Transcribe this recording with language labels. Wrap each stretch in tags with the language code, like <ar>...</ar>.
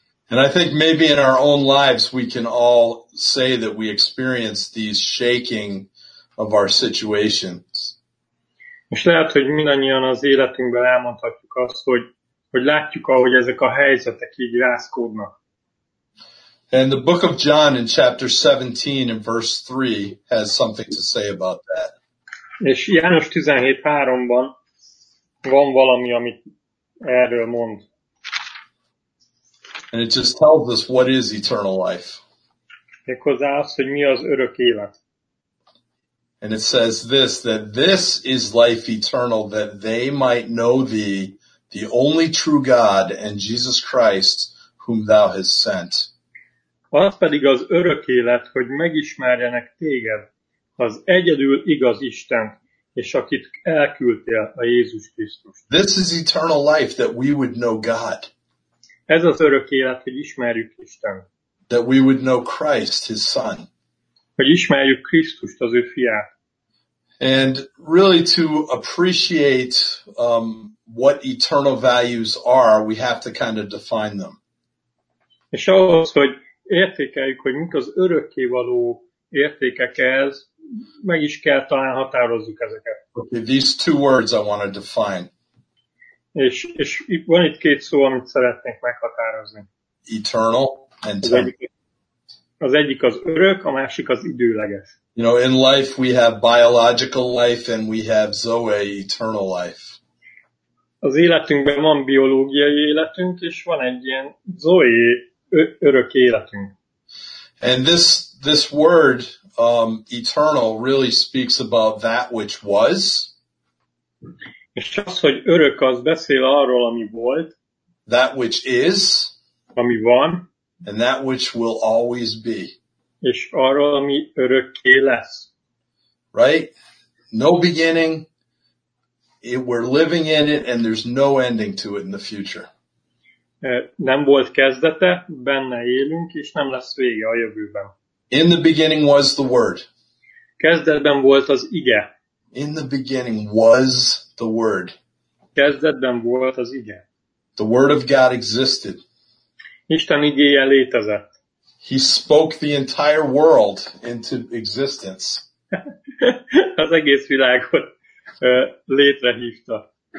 <en>And I think maybe in our own lives we can all say that we experience these shaking of our situations.</en> <hu>És lehet, hogy mindannyian az életünkben elmondhatjuk azt, hogy látjuk, ahogy ezek a helyzetek így rázkódnak.</hu> <en>And the book of John in chapter 17 and verse 3 has something to say about that.</en> <hu>És János 17:3-ban van valami, amit erről mond.</hu> <en>And it just tells us what is eternal life.</en> <hu>Méghozzá azt, hogy mi az örök élet.</hu> <en>And it says this, that this is life eternal, that they might know thee, the only true God, and Jesus Christ, whom thou hast sent.</en> <hu>Az pedig az örök élet, hogy megismerjenek téged, az egyedül igaz Istent, és akit elküldtél, a Jézus Krisztus.</hu> <en>This is eternal life, that we would know God.</en> <hu>Ez az örök élet, hogy ismerjük Istent.</hu> <en>That we would know Christ, his Son.</en> <hu>Hogy ismerjük Krisztust, az ő fiát.</hu> <en>And really to appreciate what eternal values are, we have to kind of define them.</en> <hu>És ahhoz, hogy értékeljük, hogy mik az örökké való értékek ez, meg is kell talán határozzuk ezeket.</hu> <en>Okay, these two words I want to define.</en> <hu>És itt van itt két szó, amit szeretnék meghatározni.</hu> <en>Eternal and temporal.</en> <hu>Az egyik az örök, a másik az időleges.</hu> <en>You know, in life we have biological life and we have Zoe, eternal life.</en> <hu>Az életünkben van biológiai életünk, és van egy ilyen Zoe, örök életünk.</hu> <en>And this word, eternal, really speaks about that which was.</en> <hu>És az, hogy örök, az beszél arról, ami volt.</hu> <en>That which is.</en> <hu>Ami van.</hu> <en>And that which will always be.</en> <hu>És arról, ami örökké lesz.</hu> <en>Right? No beginning. We're living in it, and there's no ending to it in the future.</en> <hu>Nem volt kezdete, benne élünk, és nem lesz vége a jövőben.</hu> <en>In the beginning was the Word.</en> <hu>Kezdetben volt az ige.</hu> <en>In the beginning was the Word.</en> <hu>Kezdetben volt az ige.</hu> <en>The Word of God existed.</en> <hu>Isten igéje létezett.</hu> <en>He spoke the entire world into existence.</en> <hu>Az egész világot létrehívta.</hu>